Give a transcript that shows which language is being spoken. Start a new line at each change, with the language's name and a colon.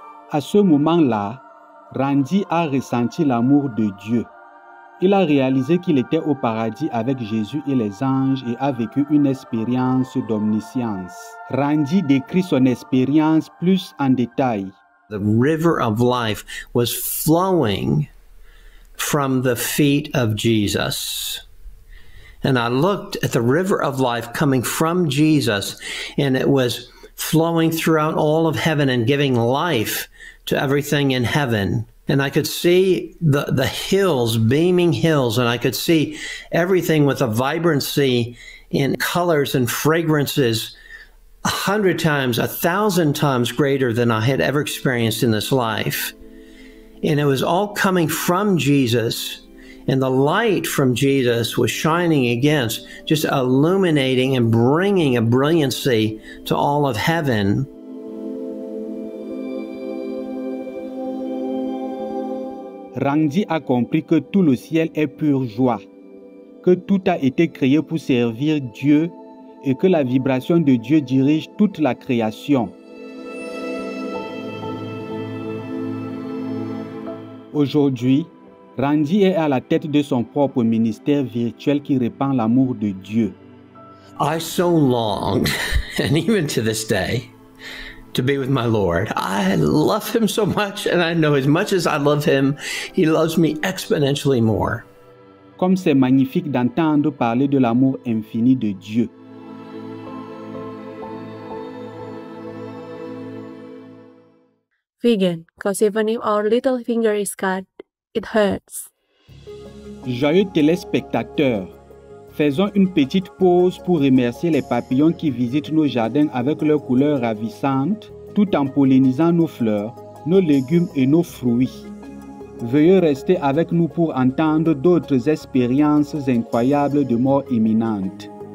French: À ce moment-là, Randy a ressenti l'amour de Dieu. Il a réalisé qu'il était au paradis avec Jésus et les anges et a vécu une expérience d'omniscience. Randy décrit son expérience plus en détail.
English: The river of life was flowing from the feet of Jesus. And I looked at the river of life coming from Jesus, and it was flowing throughout all of heaven and giving life to everything in heaven. And I could see the hills, beaming hills, and I could see everything with a vibrancy in colors and fragrances 100 times, 1,000 times greater than I had ever experienced in this life. And it was all coming from Jesus, and the light from Jesus was shining against, just illuminating and bringing a brilliancy to all of heaven.
French: Randy a compris que tout le ciel est pure joie, que tout a été créé pour servir Dieu et que la vibration de Dieu dirige toute la création. Aujourd'hui, Randy est à la tête de son propre ministère virtuel qui répand l'amour de Dieu.
English: I so long, and even to this day, to be with my Lord. I love him so much, and I know as much as I love him, he loves me exponentially more.
French: Comme c'est magnifique d'entendre parler de l'amour infini de Dieu.
English: Vegan, because even if our little finger is cut, it hurts.
French: Joyeux téléspectateurs, faisons une petite pause pour remercier les papillons qui visitent nos jardins avec leurs couleurs ravissantes, tout en pollinisant nos fleurs, nos légumes et nos fruits. Veuillez rester avec nous pour entendre d'autres expériences incroyables de mort imminente.